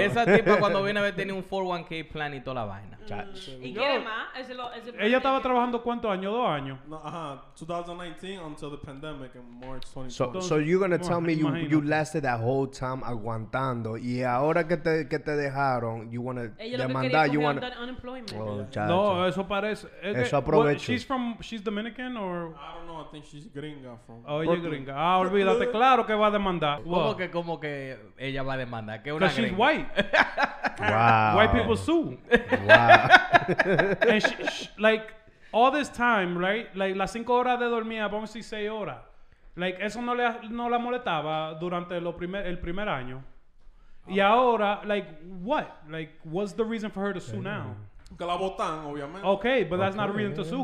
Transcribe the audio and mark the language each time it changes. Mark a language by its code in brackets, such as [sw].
[es] Esa tipa cuando viene a ver tiene un 401k plan y toda la vaina. ¿Y quiere más? Ella estaba trabajando ¿cuántos años? ¿Dos años? No, ajá. [en] 2019 until the pandemic in March 2020. So you're going to tell me you lasted that whole time [es] aguantando y ahora que te dejaron, [en] you want to demandar, you want to... [es] No, eso parece... Eso aprovecho. [en] She's Dominican or... I don't know. I think she's gringa. [es] Oh, ella es gringa. Ah, olvídate. Claro que va a demandar. ¿Cómo que como que ella va a demandar? Que una [en] she's white. Wow. White people sue. Wow. And she, like, all this time, right? [es] Like, las 5 horas de dormía, vamos a decir 6 horas. Like, eso no la molestaba durante el primer año. Y ahora, [en] like, what? Like, what's the reason for her to sue now? [es] Que la botan, obviamente. [en] Okay, but that's not a reason to sue.